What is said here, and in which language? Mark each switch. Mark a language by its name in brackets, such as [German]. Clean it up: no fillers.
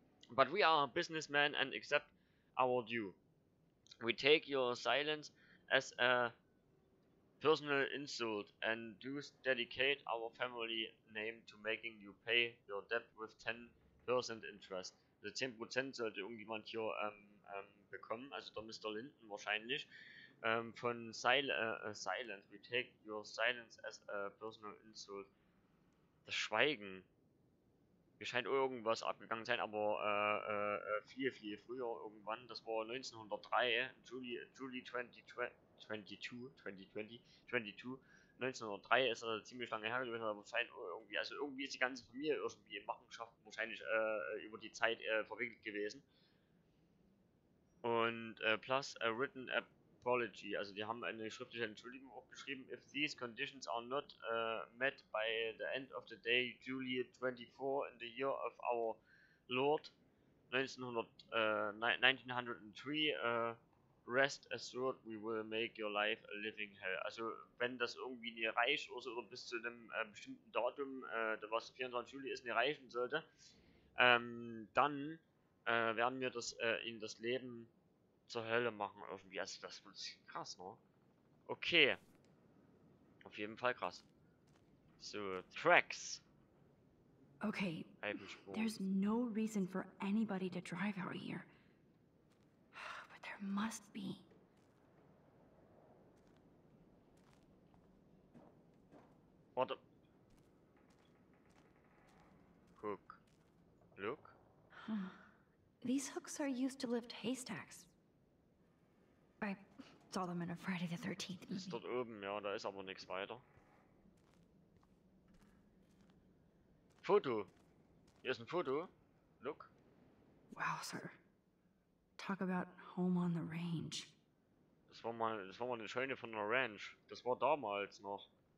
[English] But we are businessmen and accept our due. We take your silence as a personal insult and do dedicate our family name to making you pay your debt with 10% interest. [German] Also 10% sollte irgendjemand hier bekommen, also der Mr. Linton wahrscheinlich. Von Silence. [English] We take your silence as a personal insult. [German] Das Schweigen. Mir scheint irgendwas abgegangen sein, aber viel früher irgendwann. Das war 1903, Juli 1903 ist er ziemlich lange her gewesen, aber irgendwie ist die ganze Familie irgendwie in Machenschaft wahrscheinlich über die Zeit verwickelt gewesen. Und [English] plus a written apology, [German] also die haben eine schriftliche Entschuldigung aufgeschrieben. [English] If these conditions are not met by the end of the day, July 24 in the year of our Lord 1903, rest assured, we will make your life a living hell. [German] Also, wenn das irgendwie nicht reicht oder bis zu einem bestimmten Datum, was 24 Juli ist, nicht reichen sollte, dann werden wir das ihnen das Leben zur Hölle machen. Irgendwie. Also, das wird krass, ne? Okay. Auf jeden Fall krass. [English] So, Tracks. Okay. There's no reason for anybody to drive out here. There must be. What the? Hook. Look. These hooks are used to lift haystacks. I saw them in a Friday the 13th movie. [German] Ist dort oben, ja, da ist aber nichts weiter. Foto. Hier ist ein Foto. Look. [English] Wow, sir. Talk about home on the range. [German] Das war mal eine Scheune von der Ranch. Das war damals noch.